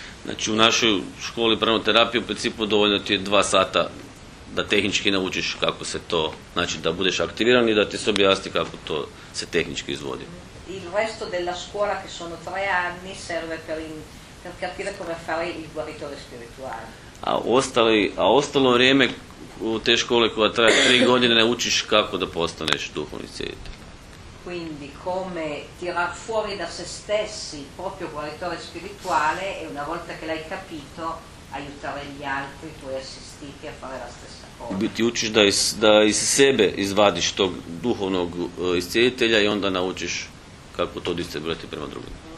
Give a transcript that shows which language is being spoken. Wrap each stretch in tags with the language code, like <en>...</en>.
<hr>Znači u našoj školi pranoterapije u principu dovoljno ti je 2 sata da tehnički naučiš kako se to, znači da budeš aktiviran i da ti se objasni kako to se tehnički izvodi.</hr> <it>Il resto della scuola che sono 3 anni serve per capire come fare il guaritore spirituale.</it> <hr>A ostalo vrijeme u te škole koja traje 3 godine ne učiš kako da postaneš duhovni cijetelj.</hr> <it>Quindi come tirar fuori da se stessi il proprio guaritore spirituale e una volta che l'hai capito aiutare gli altri tuoi assistiti a fare la stessa cosa.</it> <hr>Ti učiš da iz sebe izvadiš tog duhovnog iscijeditelja i onda naučiš kako to distribuirati prema drugima.</hr>